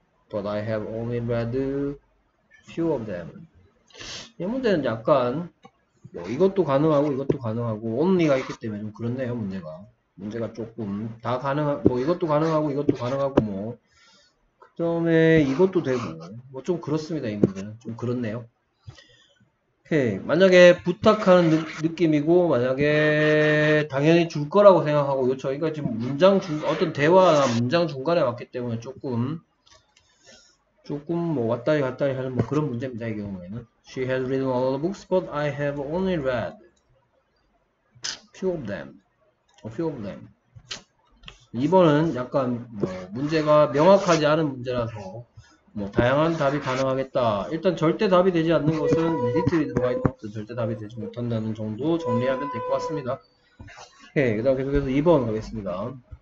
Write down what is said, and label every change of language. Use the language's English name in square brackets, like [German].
[English] But I have only read few of them. [Korean] 이 문제는 약간 뭐 이것도 가능하고 이것도 가능하고 only가 있기 때문에 좀 그렇네요, 문제가 조금 다 가능하고 뭐 이것도 가능하고 이것도 가능하고 뭐 그다음에 이것도 되고 뭐좀 그렇습니다, 이 문제는 좀 그렇네요. 오케이. 만약에 부탁하는 느낌이고, 만약에 당연히 줄 거라고 생각하고, 요청, 그러니까 지금 문장 중, 어떤 대화나 문장 중간에 왔기 때문에 조금 뭐 왔다리 갔다리 하는 뭐 그런 문제입니다, 이 경우에는. [English] She has written all the books, but I have only read few of them. A few of them. [Korean] 2번은 약간 뭐 문제가 명확하지 않은 문제라서. 뭐 다양한 답이 가능하겠다. 일단 절대 답이 되지 않는 것은 리틀이 들어가 있는 것도 절대 답이 되지 못한다는 정도 정리하면 될것 같습니다. 오케이, 그다음 계속해서 2번 가겠습니다.